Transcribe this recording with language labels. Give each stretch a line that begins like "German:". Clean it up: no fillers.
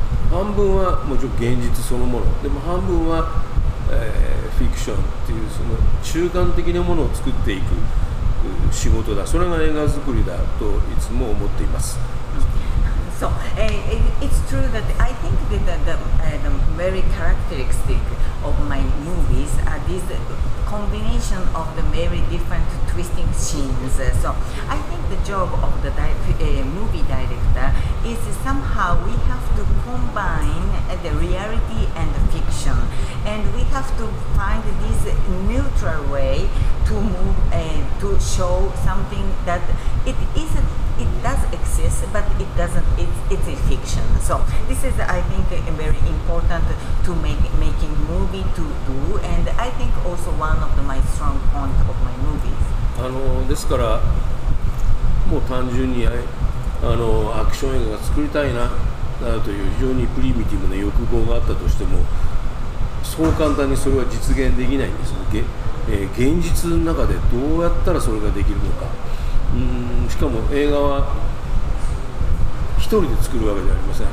Japanese: 半分はもちろん現実そのものでも、半分はフィクションっていうその中間的なものを作っていく仕事だ。それが映画作りだといつも思っています。
English: So, it's true that I think that the very characteristic of my movies are these combination of the very different twisting scenes. So I think the job of the movie director is somehow we have to combine the reality and the fiction, and we have to find this neutral way to move and to show something that it is a it does exist, but it doesn't. It's a fiction. So this is, I think, very important to making movie to do, and I think also one of my strong point of my movies.
Japanese: ですから、もう単純にアクション映画が作りたいなという非常にプリミティブな欲望があったとしても、そう簡単にそれは実現できないんです。現実の中でどうやったらそれができるのか。しかも映画は一人で作るわけではありません。